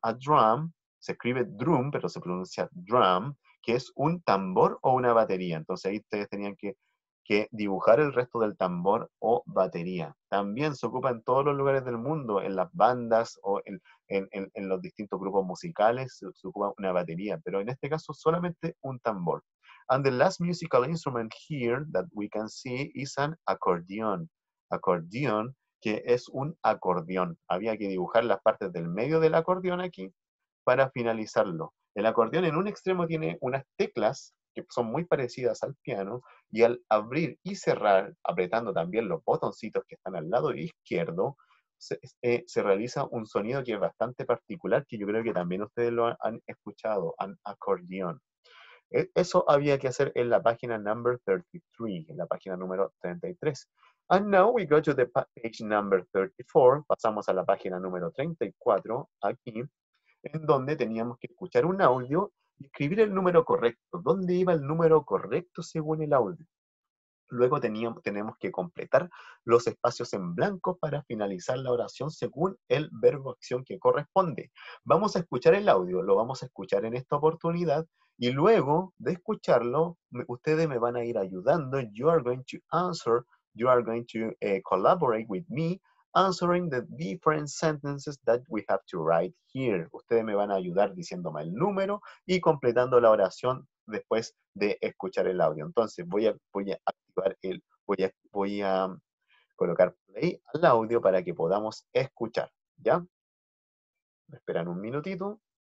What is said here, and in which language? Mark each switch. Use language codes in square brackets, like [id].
[es] A drum, se escribe drum, pero se pronuncia drum, que es un tambor o una batería. Entonces ahí ustedes tenían que dibujar el resto del tambor o batería. También se ocupa en todos los lugares del mundo, en las bandas o en los distintos grupos musicales, se ocupa una batería, pero en este caso solamente un tambor. [en] And the last musical instrument here that we can see is an accordion. [es] Accordion, que es un acordeón. Había que dibujar las partes del medio del acordeón aquí para finalizarlo. El acordeón en un extremo tiene unas teclas que son muy parecidas al piano, y al abrir y cerrar, apretando también los botoncitos que están al lado izquierdo, se realiza un sonido que es bastante particular, que yo creo que también ustedes lo han escuchado, un acordeón. Eso había que hacer en la página [en] number 33, [es] en la página número 33. [en] And now we go to the page number 34, [es] pasamos a la página número 34, aquí, en donde teníamos que escuchar un audio, escribir el número correcto. ¿Dónde iba el número correcto según el audio? Luego tenemos que completar los espacios en blanco para finalizar la oración según el verbo acción que corresponde. Vamos a escuchar el audio, lo vamos a escuchar en esta oportunidad, y luego de escucharlo, ustedes me van a ir ayudando. [en] You are going to answer, you are going to collaborate with me, answering the different sentences that we have to write here. [es] Ustedes me van a ayudar diciéndome el número y completando la oración después de escuchar el audio. Entonces voy a colocar play al audio para que podamos escuchar. ¿Ya? Me esperan un minutito.